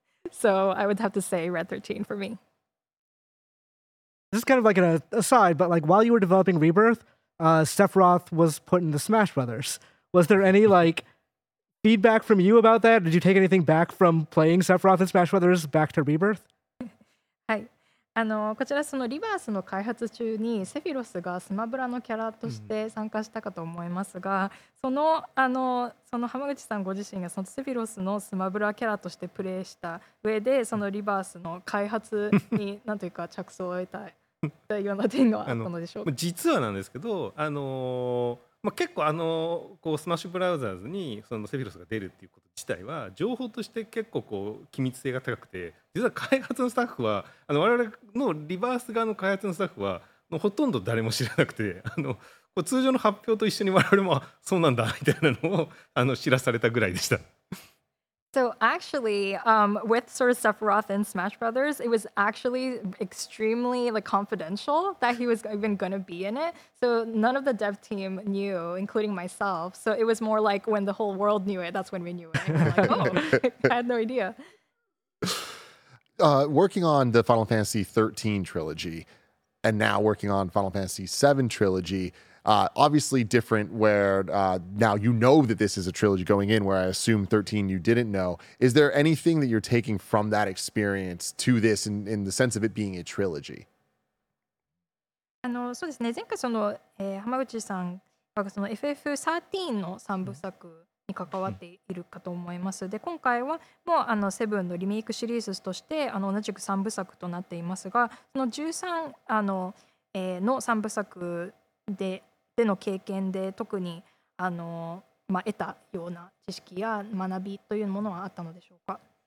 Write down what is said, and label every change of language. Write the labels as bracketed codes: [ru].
[en] So I would have to say Red 13 for me. This is kind of like an aside, but like while you were developing Rebirth, Sephiroth was put in the Smash Brothers. Was there any like feedback from you about that? Did you take anything back from playing Sephiroth in Smash Brothers back to Rebirth? Hi. [ja] あのこちらそのリバースの開発中にセフィロスがスマブラのキャラとして参加したかと思いますが、うん、そのあのその浜口さんご自身がそのセフィロスのスマブラキャラとしてプレイした上でそのリバースの開発になんというか着想を得たというような点があったのでしょうか。実はなんですけど、まあ、結構こうスマッシュブラウザーズにそのセフィロスが出るっていうこと自体は情報として結構こう機密性が高くて、実は開発のスタッフは我々のリバース側の開発のスタッフはほとんど誰も知らなくて、こう通常の発表と一緒に我々もそうなんだみたいなのを知らされたぐらいでした。 [en] So actually, with sort of Sephiroth and Smash Brothers, it was actually extremely like confidential that he was even going to be in it. So none of the dev team knew, including myself. So it was more like when the whole world knew it, that's when we knew it. Like, oh, I had no idea. Working on the Final Fantasy 13 trilogy, and now working on Final Fantasy 7 trilogy, obviously different where now you know that this is a trilogy going in, where I assume 13 you didn't know. Is there anything that you're taking from that experience to this in the sense of it being a trilogy? [ja] そうですね、前回その、浜口さんがその FF13 の三部作に関わっているかと思います。で、今回はもうセブンのリメイクシリーズとして同じく三部作となっていますが、その13の三部作での経験で特にまあ、得たような知識や学びというものはあったのでしょうか。